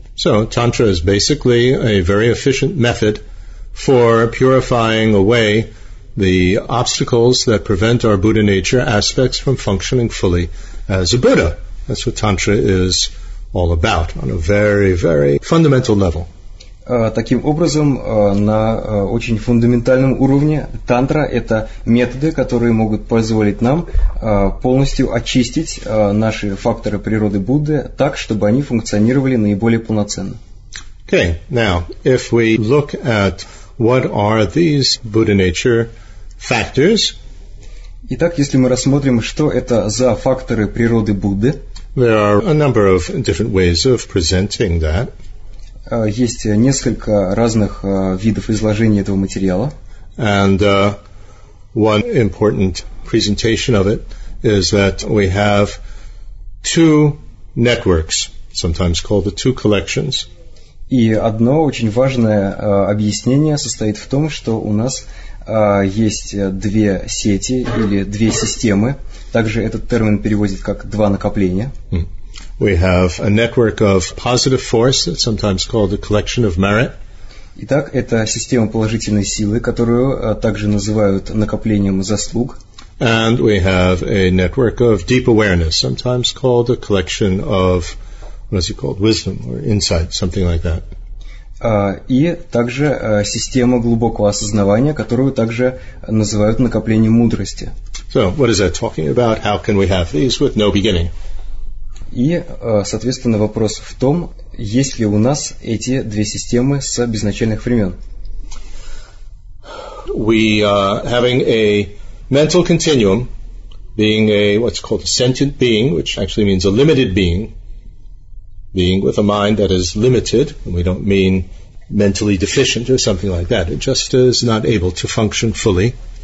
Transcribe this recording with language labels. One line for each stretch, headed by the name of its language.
English: So, Tantra is basically a very efficient method for purifying away the obstacles that prevent our Buddha nature aspects from functioning fully as a Buddha. That's what Tantra is all about on a very, very fundamental level.
Russian: Таким образом, на очень фундаментальном уровне, тантра – это методы, которые могут позволить нам полностью очистить наши факторы природы Будды так, чтобы они функционировали наиболее полноценно.
English: Okay, now, if we look at what are these Buddha nature factors?
Russian: Итак, если мы рассмотрим, что это за факторы природы Будды,
English: there are a number of different ways of presenting that.
Russian: Есть несколько разных видов изложения этого материала.
English: And one important presentation of it is that we have two networks, sometimes called the two collections.
Russian: И одно очень важное объяснение состоит в том, что у нас есть две сети или две системы. Также этот термин переводит как два накопления.
English: We have a network of positive force, that's sometimes called a collection of merit.
Russian: Итак, это система положительной силы, которую также называют накоплением заслуг.
English: And we have a network of deep awareness, sometimes called a collection of, what is it called, wisdom or insight, something like that.
Russian: И также система глубокого осознавания, которую также называют накоплением мудрости.
English: So, what is that talking about? How can we have these with no beginning?
Russian: И, соответственно, вопрос в том, есть ли у нас эти две системы с безначальных времен.
English: We having a mental continuum, being a what's called a sentient being, which actually means a limited being, being with a mind that is limited, and we don't mean mentally deficient or something like that, it just is not able to function fully.